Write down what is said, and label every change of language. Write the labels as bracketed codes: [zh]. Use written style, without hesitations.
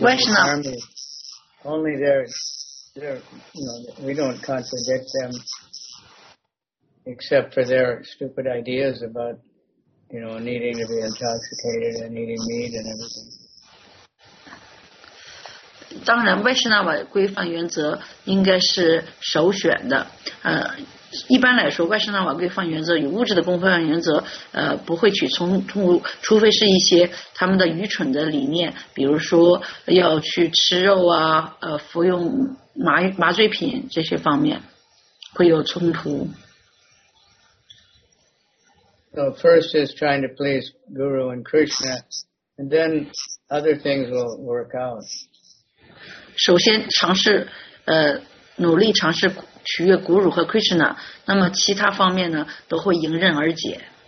[en] Vaishnava. Of the army, only there is... You know, we don't contradict them except for their stupid ideas about, you know, needing to be intoxicated and needing meat and everything. [zh] 当然，维什纳瓦规范原则应该是首选的。一般来说，维什纳瓦规范原则与物质的规范原则，不会去冲突，除非是一些他们的愚蠢的理念，比如说要去吃肉啊，服用麻醉品这些方面会有冲突。 [en] So first is trying to please Guru and Krishna, and then other things will work out. [zh] 首先尝试，努力尝试取悦 Guru 和 Krishna, 那么其他方面呢都会迎刃而解。